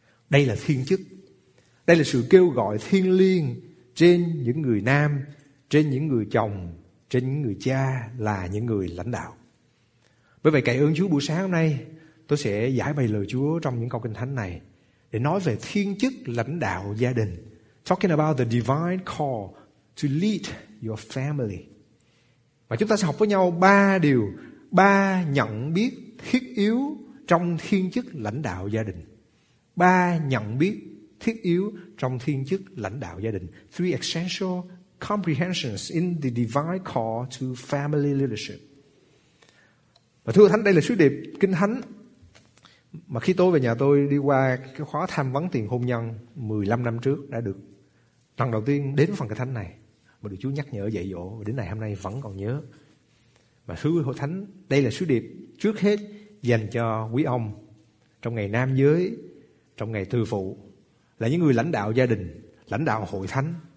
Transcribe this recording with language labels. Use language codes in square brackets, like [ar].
[vi] Đây là thiên chức, đây là sự kêu gọi thiêng liêng trên những người nam, trên những người chồng, trên những người cha, là những người lãnh đạo. Bởi vậy cậy ơn Chúa, buổi sáng hôm nay tôi sẽ giải bày lời Chúa trong những câu Kinh Thánh này để nói về thiên chức lãnh đạo gia đình. [en] Talking about the divine call to lead your family. [vi] Và chúng ta sẽ học với nhau ba điều, ba nhận biết thiết yếu trong thiên chức lãnh đạo gia đình. Ba nhận biết thiết yếu trong thiên chức lãnh đạo gia đình. [en] Three essential comprehensions in the divine call to family leadership. [vi] Và thưa Thánh, đây là sứ điệp Kinh Thánh mà khi tôi về nhà tôi đi qua cái khóa tham vấn tiền hôn nhân 15 năm trước đã được lần đầu tiên đến phần Kinh Thánh này mà được Chúa nhắc nhở dạy dỗ, và đến ngày hôm nay vẫn còn nhớ. Và sứ hội thánh, đây là sứ điệp trước hết dành cho quý ông trong ngày nam giới, trong ngày tư phụ, là những người lãnh đạo gia đình, lãnh đạo hội thánh.